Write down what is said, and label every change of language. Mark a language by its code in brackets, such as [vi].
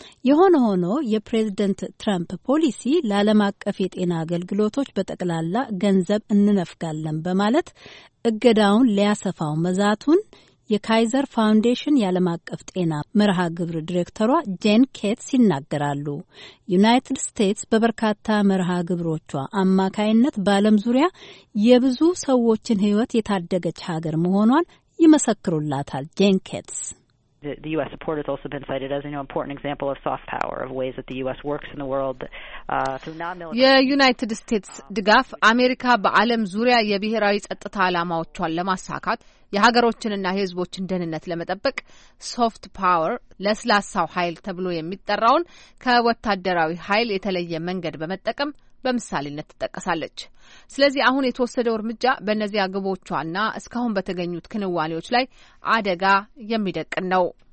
[am] የሆነ ሆኖ የፕሬዝደንት ትራምፕ ፖሊሲ ለዓለም አቀፍ የጤና አገልግሎቶች በጠቅላላ ገንዘብ እንነፍጋለን በማለት እገዳውን ሊያሰፋው መዛቱን የካይዘር ፋውንዴሽን የዓለም አቀፍ ጤና መርሃ ግብር ዲሬክተሯ ጄን ኬትስ ይናገራሉ። ዩናይትድ ስቴትስ በበርካታ መርሃ ግብሮቿ አማካይነት በዓለም ዙሪያ የብዙ ሰዎችን ሕይወት የታደገች ሀገር መሆኗን ይመሰክሩላታል ጄን ኬትስ። [en] The US support has also been cited as, you know, an important example of soft power, of ways that the US works in the world through non-military. [am] የዩናይትድ ስቴትስ ድጋፍ አሜሪካ በአለም ዙሪያ የብሔራዊ ጸጥታ አላማዎቿን ለማሳካት የሀገሮችንና የህዝቦችን ደህንነት ለመጠበቅ soft power ለስላሳው ኃይል ተብሎ የሚጠራውን ከወታደራዊ ኃይል የተለየ መንገድ በመጠቀም በምሳሌነት ተጠቀሳለች። ስለዚህ አሁን የተወሰደው እርምጃ በእነዚያ ግቦቿና እስካሁን በተገኙት ክንዋኔዎች ላይ አደጋ የሚደቅን ነው።